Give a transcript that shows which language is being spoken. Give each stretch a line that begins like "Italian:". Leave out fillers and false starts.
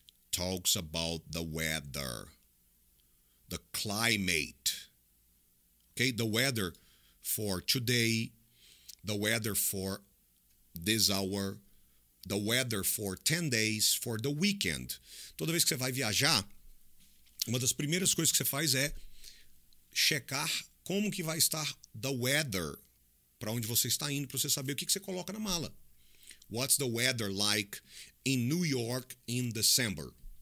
English: Talks about the weather. The climate, okay? The weather for today, the weather for this hour, the weather for 10 days, for the weekend.
Portuguese: Toda vez que você vai viajar, uma das primeiras coisas que você faz é checar como que vai estar the weather para onde você está indo, para você saber o que que você coloca na mala.
English: What's the weather like in New York in December?